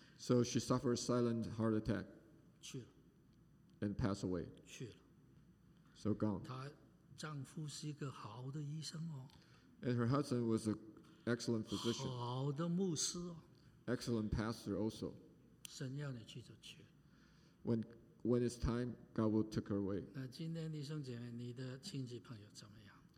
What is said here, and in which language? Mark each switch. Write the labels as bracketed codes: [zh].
[en] So she suffered a silent heart attack. [zh] 去了。 [en] And passed away. [zh] 去了。 [en] So gone. [zh] 她丈夫是一个好的医生哦。 [en] And her husband was an excellent physician. [zh] 好的牧师哦。 [en] Excellent pastor also. [zh] 神要你去就去。 [en] When it's time, God will take her away. [zh] 那今天弟兄姐妹，你的亲戚朋友怎么样